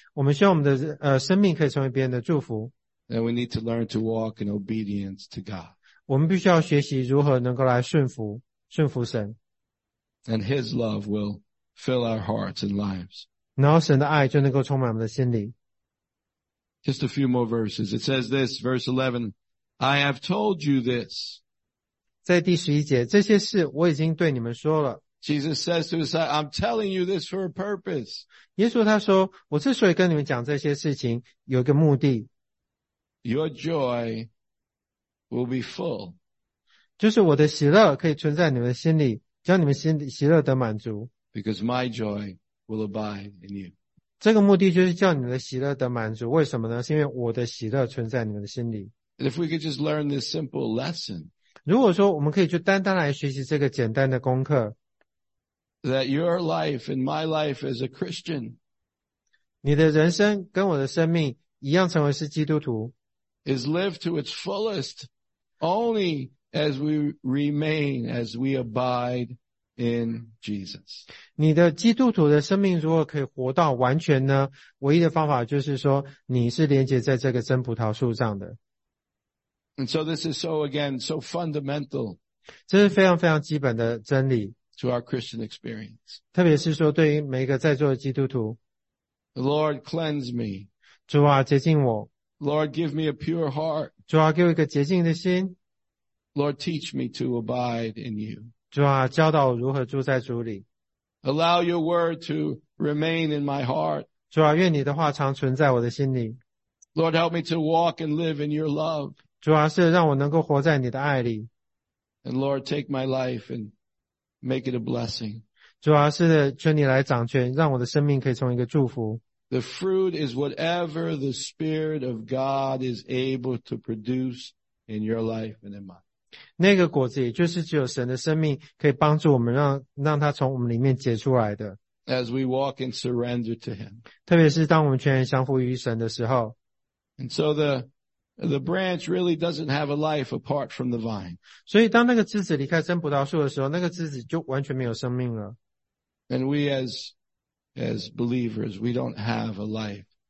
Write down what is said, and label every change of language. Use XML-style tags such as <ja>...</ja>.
<zh>我们希望我们的生命可以成为别人的祝福。</zh> <en>And we need to learn to walk in obedience to God.</en> <zh>我们必须要学习如何能够来顺服神。</zh> <en>And His love will fill our hearts and lives.</en> <zh>然后神的爱就能够充满我们的心里。</zh> <en>Just a few more verses. It says this, verse 11, I have told you this.</en> <zh>在第十一节，这些事我已经对你们说了。</zh> <en>Jesus says to his disciples, I'm telling you this for a purpose.</en> <zh>耶稣他说，我之所以跟你们讲这些事情，有一个目的。</zh> <en>Your joy will be full.</en> <zh>就是我的喜乐可以存在你们的心里，叫你们心里喜乐得满足。</zh> <en>Because my joy will abide in you.</en> <zh>这个目的就是叫你的喜乐得满足，为什么呢？是因为我的喜乐存在你们的心里。</zh> <en>If we could just learn this simple lesson,</en> <zh>如果说我们可以就单单来学习这个简单的功课</zh> <en>that your life and my life as a Christian,</en> <zh>你的人生跟我的生命一样成为是基督徒,</zh> <en>is lived to its fullest only as we remain, as we abide in Jesus.</en> <zh>你的基督徒的生命如果可以活到完全呢,唯一的方法就是说你是连结在这个真葡萄树上的。</zh> <en>And so this is so, again, so fundamental.</en> <zh>这是非常非常基本的真理。</zh> <en>To our Christian experience.</en> <zh>特别是说对于每一个在座的基督徒。</zh> <en>Lord, cleanse me.</en> <zh>主啊,洁净我。</zh> <en>Lord, give me a pure heart.</en> <zh>主啊,给我一个洁净的心。</zh> <en>Lord, teach me to abide in you.</en> <zh>主啊,教导我如何住在主里。</zh> <en>Allow your word to remain in my heart.</en> <zh>主啊,愿你的话常存在我的心里。</zh> <en>Lord, help me to walk and live in your love.</en> <zh>主啊,是让我能够活在你的爱里。</zh> <en>And Lord, take my life and make it a blessing.</en> <zh>主啊,是求你来掌权,让我的生命可以成为一个祝福。</zh> <en>The fruit is whatever the Spirit of God is able to produce in your life and in mine.</en> <zh>那个果子也就是只有神的生命可以帮助我们 让它从我们里面结出来的。</zh> <en>As we walk in surrender to him.</en> <zh>特别是当我们全然降服于神的时候。</zh> <en>And so the branch really doesn't have a life apart from the vine.</en> <zh>所以当那个枝子离开真葡萄树的时候那个枝子就完全没有生命了。</zh> <en>And we as believers, we don't have a life.</en>